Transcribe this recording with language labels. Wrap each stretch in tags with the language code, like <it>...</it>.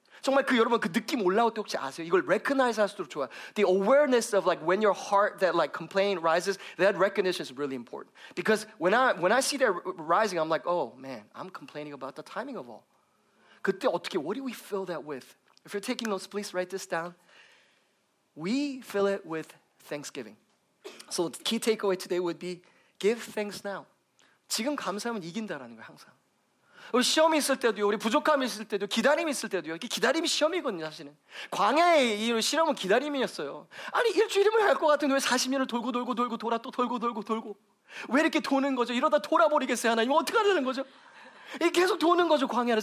<ko>정말 그 여러분 그 느낌 올라올 때 혹시 아세요? 이걸 recognize 할수록 좋아.</ko> <en>The awareness of like when your heart that like complaint rises, that recognition is really important. Because when I see that rising, I'm like, oh man, I'm complaining about the timing of all.</en> <ko>그때 어떻게,</ko> <en>what do we fill that with? If you're taking notes, please write this down. We fill it with Thanksgiving. So the key takeaway today would be give thanks now.</en> <ko>지금 감사하면 이긴다라는 거 항상. 우리 시험이 있을 때도요. 우리 부족함이 있을 때도 기다림이 있을 때도요. 이게 기다림이 시험이거든요, 사실은. 광야의 이 시험은 기다림이었어요. 아니, 일주일이면 할 것 같은데 왜 40년을 돌고 돌아 또 돌고. 왜 이렇게 도는 거죠? 이러다 돌아버리겠어요, 하나님. 어떻게 하려는 거죠? 이 계속 도는 거죠, 광야를.</ko>